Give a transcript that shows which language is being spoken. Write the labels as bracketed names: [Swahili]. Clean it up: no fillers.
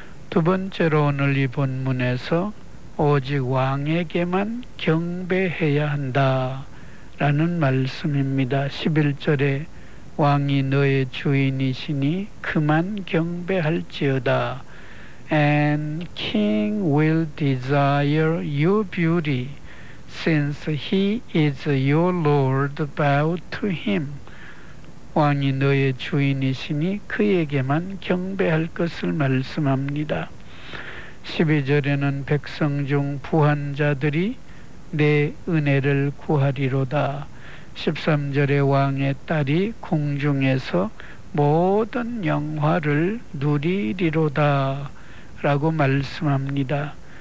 [Korean] 두 번째로 오늘 이 본문에서 오직 왕에게만 경배해야 한다 라는 말씀입니다. 11절에 왕이 너의 주인이시니 그만 경배할지어다. [English] And king will desire your beauty since he is your lord bow to him. [Korean] 왕이 너의 주인이시니 그에게만 경배할 것을 말씀합니다. 12절에는 백성 중 부한 자들이 내 은혜를 구하리로다. 13절의 왕의 딸이 궁중에서 모든 영화를 누리리로다 라고 말씀합니다.